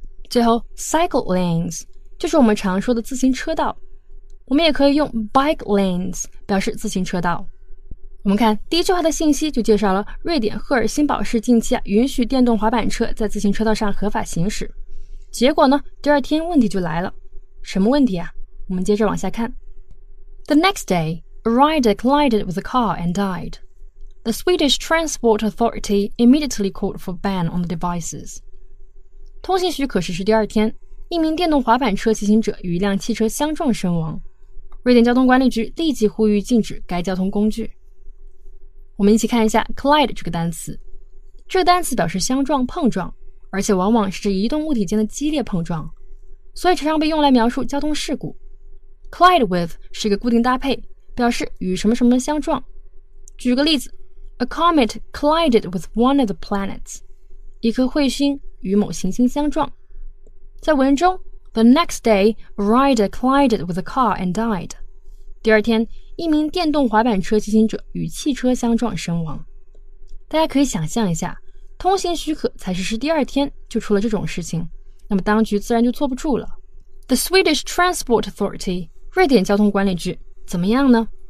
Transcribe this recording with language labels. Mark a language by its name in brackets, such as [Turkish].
[Chinese] 最后 cycle lanes 就是我们常说的自行车道，我们也可以用 bike lanes 表示自行车道。我们看第一句话的信息就介绍了瑞典赫尔辛堡市近期允许电动滑板车在自行车道上合法行驶，结果呢第二天问题就来了。什么问题啊？我们接着往下看。 [English] The next day a rider collided with a car and diedThe Swedish Transport Authority immediately called for ban on the devices. [Chinese] 通行许可实施第二天，一名电动滑板车骑行者与一辆汽车相撞身亡。瑞典交通管理局立即呼吁禁止该交通工具。我们一起看一下 collide 这个单词。这个单词表示相撞、碰撞，而且往往是指移动物体间的激烈碰撞，所以常常被用来描述交通事故。 Collide with 是一个固定搭配，表示与什么什么相撞。举个例子。 [English] A comet collided with one of the planets. [Chinese] 一颗彗星与某行星相撞。在文中 [English] ,the next day, a rider collided with a car and died. [Chinese] 第二天一名电动滑板车骑行者与汽车相撞身亡。大家可以想象一下，通行许可才实施第二天就出了这种事情，那么当局自然就坐不住了。 The Swedish Transport Authority, 瑞典交通管理局怎么样呢？